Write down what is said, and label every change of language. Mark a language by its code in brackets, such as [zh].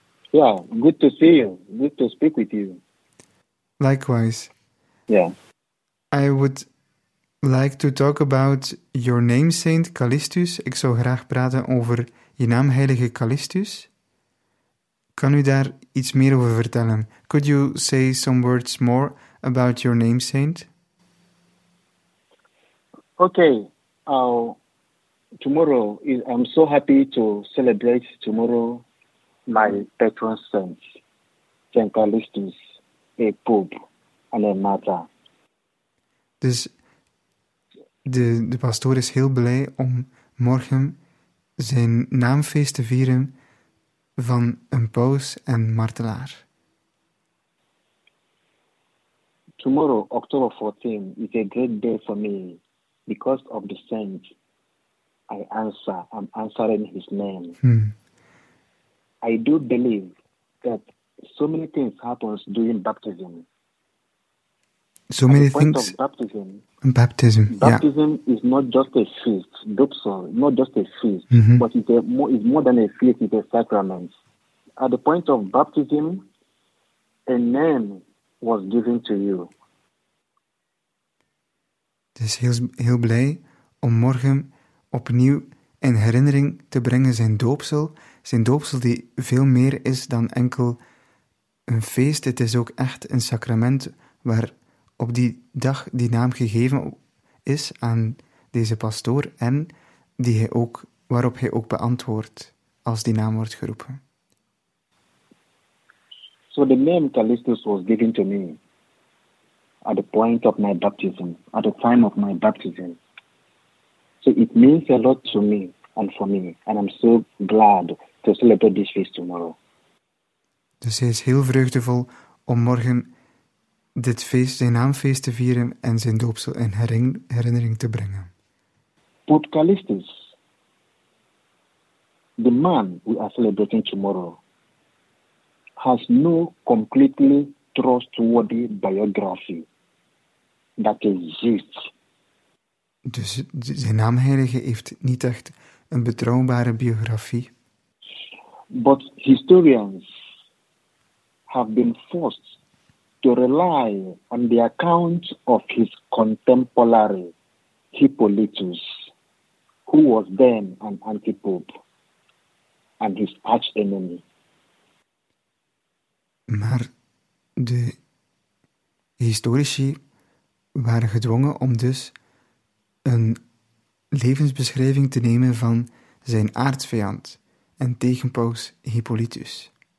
[en] Ja, good to see you, good to speak with you. Likewise. Yeah. I would like to talk about your name, Saint Callistus. [nl] Ik zou graag praten over je naam, heilige Callistus. Kan u daar iets meer over vertellen? [en] Could you say some words more about your name, Saint? Okay. Tomorrow, I'm so happy to celebrate tomorrow my patron saint, Saint Callistus. A pope and a mother. [nl] Dus de pastoor is heel blij om morgen zijn naamfeest te vieren van een paus en martelaar. [en] Tomorrow, October 14, is a great day for me because of the saint. I'm answering his name. I do believe that so many things happens during baptism. So many the things. Point of baptism. Baptism. Baptism yeah. Is not just a feast. Not just a feast. Mm-hmm. But it's more than a feast. It's a sacrament. At the point of baptism, a name was given to you. [nl] Dus heel blij om morgen opnieuw in herinnering te brengen zijn doopsel. Zijn doopsel die veel meer is dan enkel een feest, het is ook echt een sacrament waar op die dag die naam gegeven is aan deze pastoor en die hij ook, waarop hij ook beantwoordt als die naam wordt geroepen. [en] So the name Callistus was given to me at the point of my baptism, at the time of my baptism. So it means a lot to me and for me, and I'm so glad to celebrate this feast tomorrow. [nl] Dus hij is heel vreugdevol om morgen dit feest, zijn naamfeest te vieren en zijn doopsel in herinnering te brengen. [en] Pope Callistus, the man we are celebrating tomorrow, has no completely trustworthy biography that exists. [nl] Dus zijn naamheilige heeft niet echt een betrouwbare biografie. [en] But historians have been forced to rely on the account of his contemporary, Hippolytus, who was then an anti-pope and his arch-enemy. [nl] Maar de historici waren gedwongen om dus een levensbeschrijving te nemen van zijn aartsvijand en tegenpaus Hippolytus.